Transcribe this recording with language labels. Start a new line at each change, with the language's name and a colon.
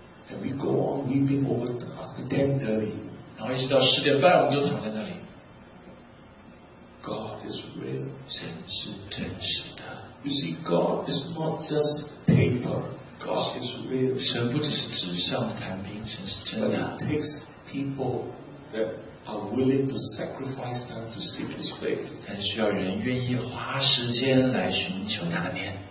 English: and we go on weeping over after 10:30.
Chinese: 然后一直到10:30, 我们又躺在那里。
English: God is real.
Chinese: 神是真实的。
English: You see, God is not just paper. God is real.
Chinese: 神不只是纸上谈兵, 神是真的。
English: But it takes people that are willing to sacrifice time to seek His face.
Chinese: 但需要人愿意花时间来寻求他的面。